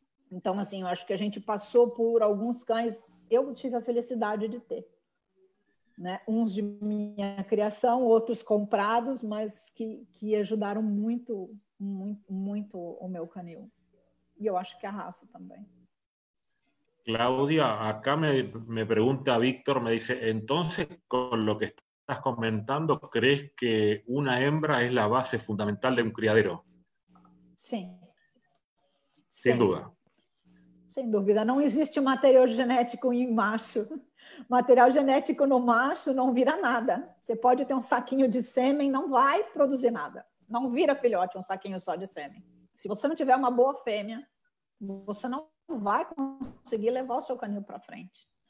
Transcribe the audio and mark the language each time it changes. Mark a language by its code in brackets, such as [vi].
[pt] Então, assim, eu acho que a gente passou por alguns cães, eu tive a felicidade de ter. Né? Uns de minha criação, outros comprados, mas que ajudaram muito, muito, muito o meu canil. E eu acho que a raça também. [es] Claudia, acá me pregunta Víctor, me dice, entonces con lo que estás comentando, ¿crees que una hembra es la base fundamental de un criadero? Sí. Sin duda. [pt] Sem dúvida, não existe material genético em macho. Material genético no macho não vira nada. Você pode ter um saquinho de sêmen, não vai produzir nada. Não vira filhote um saquinho só de sêmen. Se você não tiver uma boa fêmea, você não vai conseguir levar o seu canil para frente.